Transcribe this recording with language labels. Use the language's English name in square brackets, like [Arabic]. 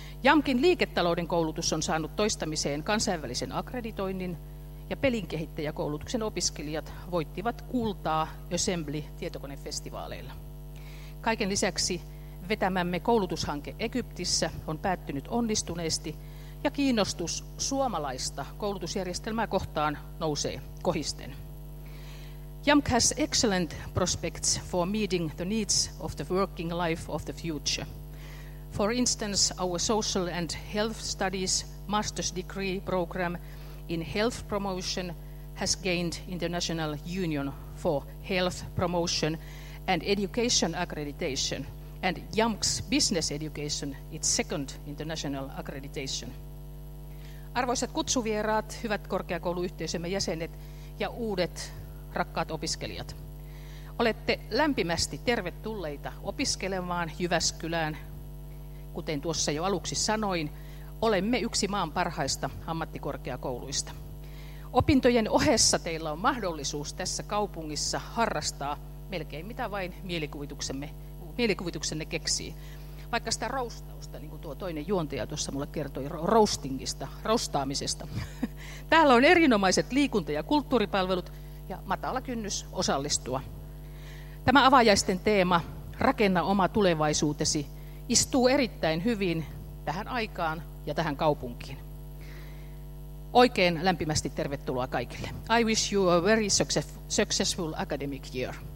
[Finnish] YAMKin liiketalouden koulutus on saanut toistamiseen kansainvälisen akkreditoinnin ja pelinkehittäjäkoulutuksen opiskelijat voittivat kultaa Assembly-tietokonefestivaaleilla. Kaiken lisäksi vetämämme koulutushanke Egyptissä on päättynyt onnistuneesti ja kiinnostus suomalaista koulutusjärjestelmää kohtaan nousee kohisten. [English] YAMK has excellent prospects for meeting the needs of the working life of the future. For instance, our social and health studies master's degree program in health promotion has gained International Union for Health Promotion and Education accreditation, and YAMK's business education its second international accreditation. [Finnish] Arvoisat kutsuvieraat, hyvät korkeakouluyhteisömme jäsenet ja uudet rakkaat opiskelijat. Olette lämpimästi tervetulleita opiskelemaan Jyväskylään. Kuten tuossa jo aluksi sanoin, olemme yksi maan parhaista ammattikorkeakouluista. Opintojen ohessa teillä on mahdollisuus tässä kaupungissa harrastaa melkein mitä vain mielikuvituksenne keksii. Vaikka sitä roustausta, niin kuin tuo toinen juontaja tuossa mulle kertoi roastingista, roustaamisesta. Täällä on erinomaiset liikunta- ja kulttuuripalvelut ja matala kynnys osallistua. Tämä avaajaisten teema, rakenna oma tulevaisuutesi, istuu erittäin hyvin tähän aikaan ja tähän kaupunkiin. Oikein lämpimästi tervetuloa kaikille. [English] I wish you a very successful academic year.